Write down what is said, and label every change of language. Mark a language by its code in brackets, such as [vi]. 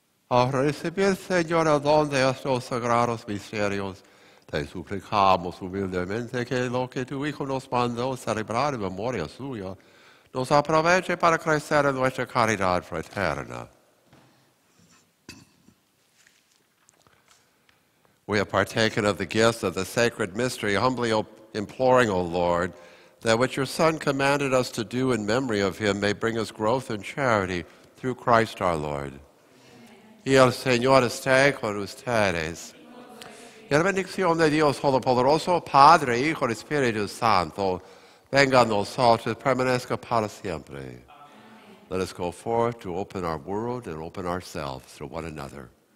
[es] Al recibir, Señor, el don de estos sagrados misterios, te suplicamos humildemente que lo que tu Hijo nos mandó celebrar en memoria suya nos aproveche para crecer en nuestra caridad fraterna. [en] We have partaken of the gift of the sacred mystery, humbly imploring, O Lord, that what your Son commanded us to do in memory of him may bring us growth and charity through Christ our Lord. [es] Amen. Y el Señor esté con ustedes. Y la bendición de Dios Todopoderoso, Padre, Hijo y Espíritu Santo, venga a nosotros, permanezca para siempre. Amen. [en] Let us go forth to open our world and open ourselves to one another.